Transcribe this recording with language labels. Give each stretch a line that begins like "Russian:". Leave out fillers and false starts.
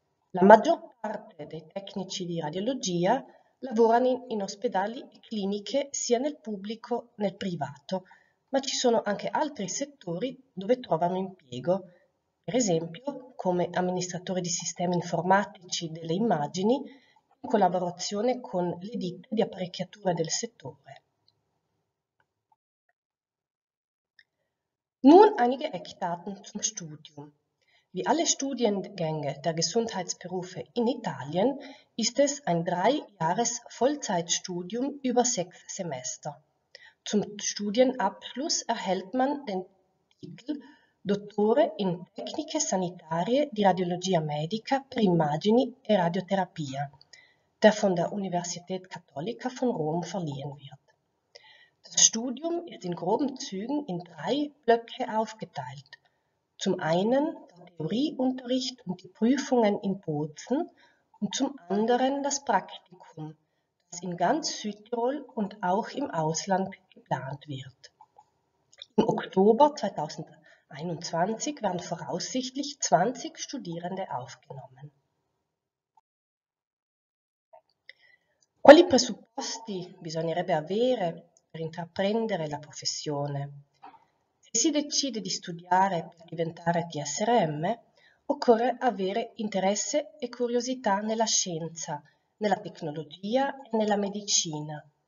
Italian: La maggior parte dei tecnici di radiologia lavorano in ospedali e cliniche sia nel pubblico che nel privato, ma ci sono anche altri settori dove trovano impiego, per esempio come amministratore di sistemi informatici delle immagini in collaborazione con le ditte di apparecchiature del settore.
German: Nun einige Eckdaten zum Studium. Wie alle Studiengänge der Gesundheitsberufe in Italien ist es ein 3-Jahres-Vollzeitstudium über 6 Semester. Zum Studienabschluss erhält man den Titel Dottore in Tecniche Sanitarie di Radiologia Medica per Immagini e Radiotherapia, der von der Universität Cattolica von Rom verliehen wird. Das Studium ist in groben Zügen in 3 Blöcke aufgeteilt. Zum einen der Theorieunterricht und die Prüfungen in Bozen und zum anderen das Praktikum, das in ganz Südtirol und auch im Ausland geplant wird. Im Oktober 2021 werden voraussichtlich 20 Studierende aufgenommen.
Italian: Quali presupposti bisognerebbe avere per intraprendere la professione? Se si decide di studiare per diventare TSRM, occorre avere interesse e curiosità nella scienza, nella tecnologia e nella medicina.